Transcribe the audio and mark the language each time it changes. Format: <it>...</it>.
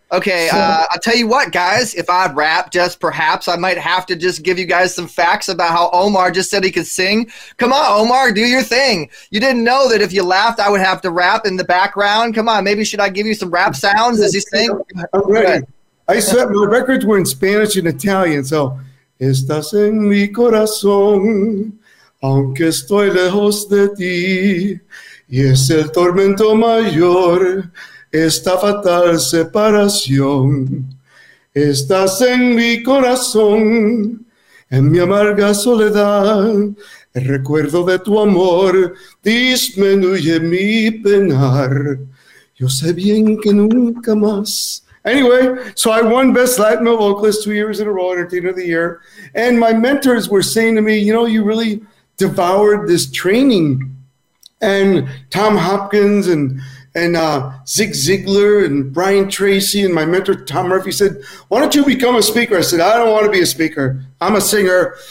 <en>Okay. So, I'll tell you what, guys. If I rap, just perhaps I might have to just give you guys some facts about how Omar just said he could sing. Come on, Omar, do your thing. You didn't know that if you laughed, I would have to rap in the background. Come on. Maybe should I give you some rap sounds as you sing? I'm ready. I said my records were in Spanish and Italian, so</en> <es>estás en mi corazón, aunque estoy lejos de ti, y es el tormento mayor, esta fatal separación. Estás en mi corazón, en mi amarga soledad, el recuerdo de tu amor disminuye mi penar. Yo sé bien que nunca más.</es> <en>Anyway, so I won Best Latin Male Vocalist 2 years in a row, Entertainer of the Year. And my mentors were saying to me, you know, you really devoured this training. And Tom Hopkins and Zig Ziglar and Brian Tracy and my mentor Tom Murphy said, why don't you become a speaker? I said, I don't want to be a speaker. I'm a singer.</en>